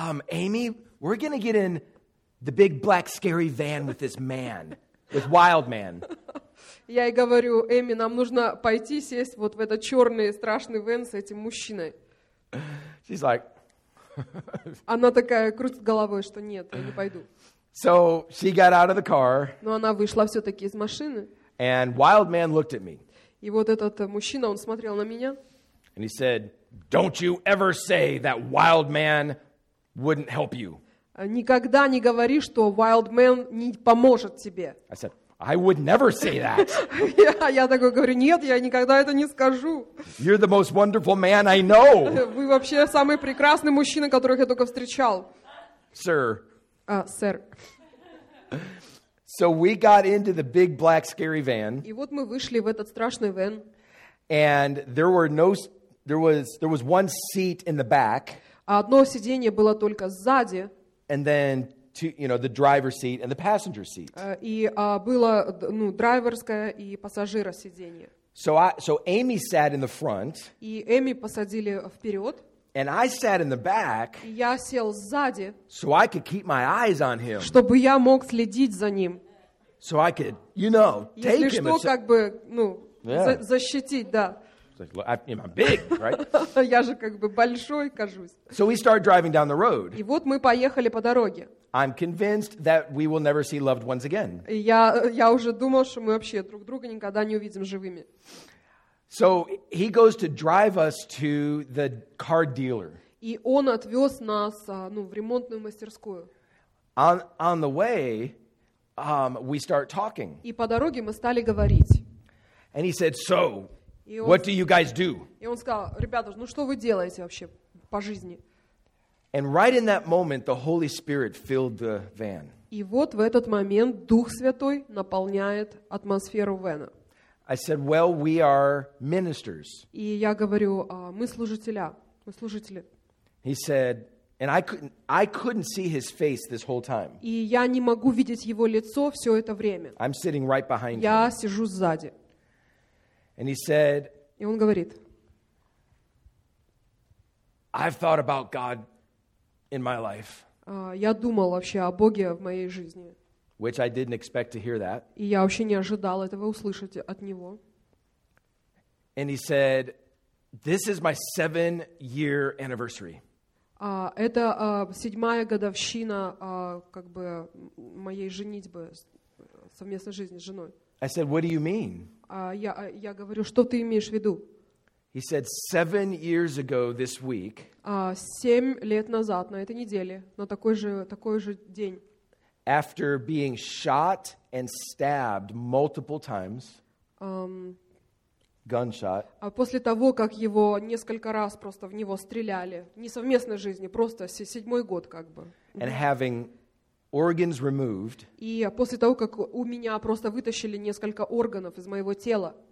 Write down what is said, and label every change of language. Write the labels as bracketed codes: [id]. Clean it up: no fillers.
[en] Amy, we're gonna get in the big black scary van with this man, with Wild Man. [ru] Я ей говорю, Эми, нам нужно пойти сесть вот в этот черный страшный вен с этим мужчиной. [en] She's like. [ru] Она такая крутит головой, что нет, я не пойду. [en] So she got out of the car. [ru] Но она вышла все-таки из машины. [en] And Wild Man looked at me. [ru] И вот этот мужчина, он смотрел на меня. [en] And he said, "Don't you ever say that Wild Man wouldn't help you." [ru] Никогда не говори, что Wild Man не поможет тебе. [en] I said, "I would never say that." [ru] Я такой говорю, нет, я никогда это не скажу. [en] You're the most wonderful man I know. [ru] Вы вообще самый прекрасный мужчина, которых я только встречал. [en] Sir. [ru] Сэр. [en] So we got into the big black scary van. [ru] И вот мы вышли в этот страшный вен. [en] And there was one seat in the back. [ru] Одно сиденье было только сзади. [en] And then the driver's seat and the passenger seat. [ru] Было драйверское и пассажира сиденье. [en] So Amy sat in the front. [ru] И Эми посадили вперед. [en] And I sat in the back. [ru] Я сел сзади. [en] So I could keep my eyes on him. [ru] Чтобы я мог следить за ним. [en] So I could, you know, take [ru] если [en] him. [ru] Если что, как бы, ну, yeah. Защитить, да. [en] I'm big, right? [ru] Я же как бы большой кажусь. [en] So we start driving down the road. [ru] И вот мы поехали по дороге. [en] I'm convinced that we will never see loved ones again. [ru] Я уже думал, что мы вообще друг друга никогда не увидим живыми. [en] So he goes to drive us to the car dealer. [ru] И он отвез нас, в ремонтную мастерскую. [en] On the way, we start talking. [ru] И по дороге мы стали говорить. [en] And he said, "So, what do you guys do?" [ru] И он сказал, ребята, ну что вы делаете вообще по жизни? [en] And right in that moment, the Holy Spirit filled the van. [ru] И вот в этот момент Дух Святой наполняет атмосферу вена. [en] I said, "Well, we are ministers." [ru] И я говорю, мы служителя, мы служители. [en] He said, and I couldn't see his face this whole time. [ru] И я не могу видеть его лицо все это время. [en] I'm sitting right behind [ru] я Я сижу сзади. [en] And he said, [ru] и он говорит, [en] I've thought about God in my life. [ru] Я думал вообще о Боге в моей жизни. [en] Which I didn't expect to hear that. [ru] И я вообще не ожидал этого услышать от него. [en] And he said, "This is my 7-year anniversary." [ru] Это седьмая годовщина как бы моей женитьбы, совместной жизни с женой. [en] I said, "What do you mean?" [ru] Я говорю, что ты имеешь в виду? [en] He said, 7 years ago this week. [ru] 7 лет назад на этой неделе, на такой же день. [en] After being shot and stabbed multiple times, gunshot. [ru] А после того, как его несколько раз просто в него стреляли, не совместной жизни, просто седьмой год как бы. [en] And having organs removed. [ru] И после того, как у меня просто вытащили несколько органов из моего тела.